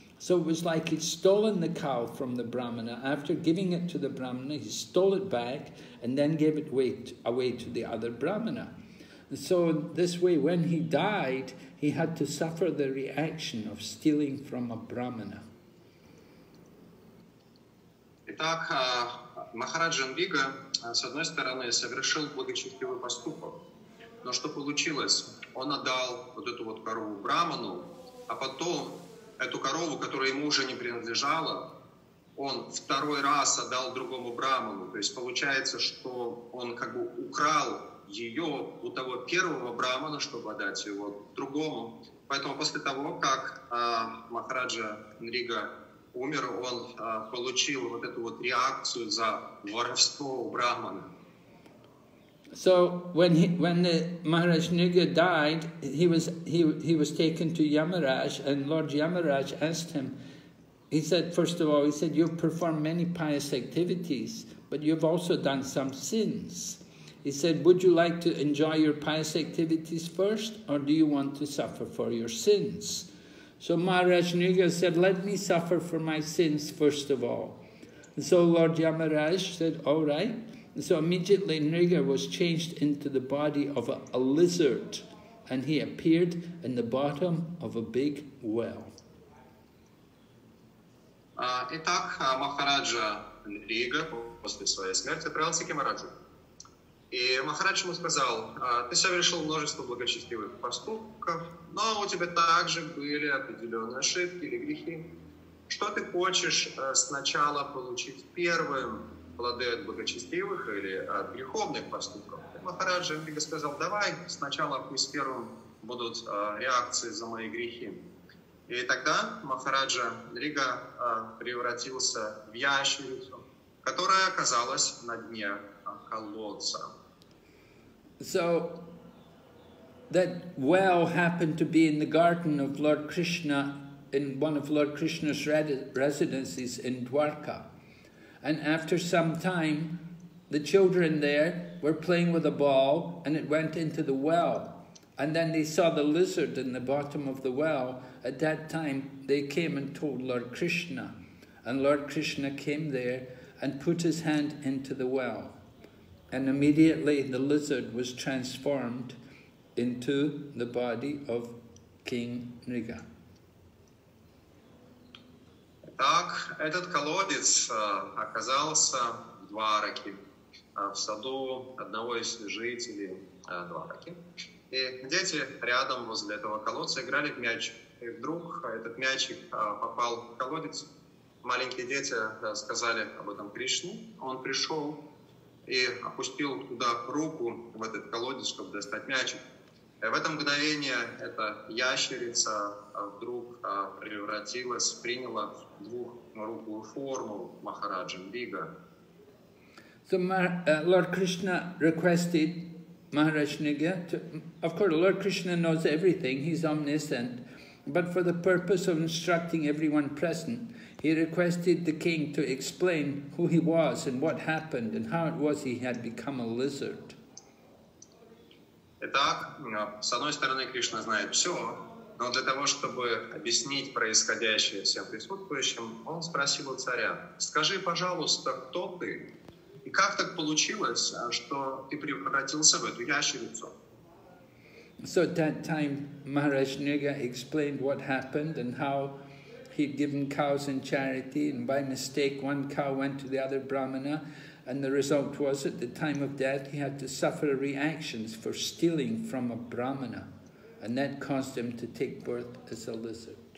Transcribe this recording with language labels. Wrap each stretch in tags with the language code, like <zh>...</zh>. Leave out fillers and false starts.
<en>So it was like he'd stolen the cow from the brahmana. After giving it to the brahmana, he stole it back and then gave it away to the other brahmana. And so this way, when he died, he had to suffer the reaction of stealing from a brahmana.</en> <ru>Итак, Махараджа Нрига, с одной стороны, совершил благочестивый поступок. Но что получилось? Он отдал вот эту вот корову браману, а потом эту корову, которая ему уже не принадлежала, он второй раз отдал другому браману. То есть получается, что он как бы украл ее у того первого брахмана, чтобы отдать его другому. Поэтому после того, как Махараджа Нрига умер, он получил вот эту вот реакцию за воровство у брахмана.</ru> <en>So when Maharaj Nriga died, he was taken to Yamaraj, and Lord Yamaraj asked him. He said, first of all, he said, "You've performed many pious activities, but you've also done some sins." He said, "Would you like to enjoy your pious activities first, or do you want to suffer for your sins?" So Maharaj Nriga said, "Let me suffer for my sins first of all." And so Lord Yamaraj said, "All right." And so immediately Nriga was changed into the body of a lizard, and he appeared in the bottom of a big well.</en> <ru>Итак, Махараджа Нрига после своей смерти отправился к Ямараджу. И Махарадж ему сказал, ты совершил множество благочестивых поступков, но у тебя также были определенные ошибки или грехи. Что ты хочешь сначала получить первым, плоды от благочестивых или от греховных поступков? И Махараджа Нрига сказал, давай сначала пусть первым будут реакции за мои грехи. И тогда Махараджа Нрига превратился в ящерицу, которая оказалась на дне колодца.</ru> <en>So that well happened to be in the garden of Lord Krishna, in one of Lord Krishna's residences in Dwarka. And after some time, the children there were playing with a ball and it went into the well. And then they saw the lizard in the bottom of the well. At that time, they came and told Lord Krishna. And Lord Krishna came there and put his hand into the well. And immediately the lizard was transformed into the body of King Nriga.</en> <ru>Так, этот колодец оказался в Двараке, в саду одного из жителей Двараки. И дети рядом возле этого колодца играли в мяч. И вдруг этот мячик попал в колодец. Маленькие дети сказали об этом Кришне. Он пришел и опустил туда руку, в этот колодец, чтобы достать мячик. И в это мгновение эта ящерица вдруг превратилась, приняла двухрукую форму Махараджи Мрига.</ru> <en>So Lord Krishna requested Maharaj Mriga to, of course, Lord Krishna knows everything, he's omniscient, but for the purpose of instructing everyone present, he requested the king to explain who he was and what happened and how it was he had become a lizard.</en> <ru>Итак, с одной стороны, Кришна знает все, но для того, чтобы объяснить происходящее всем присутствующим, он спросил у царя: скажи, пожалуйста, кто ты? И как так получилось, что ты превратился в эту ящерицу?</ru> <en>So at that time Maharaj Mriga explained what happened and how he'd given cows in charity, and by mistake one cow went to the other brahmana, and the result was at the time of death he had to suffer reactions for stealing from a brahmana, and that caused him to take birth as a lizard.</en>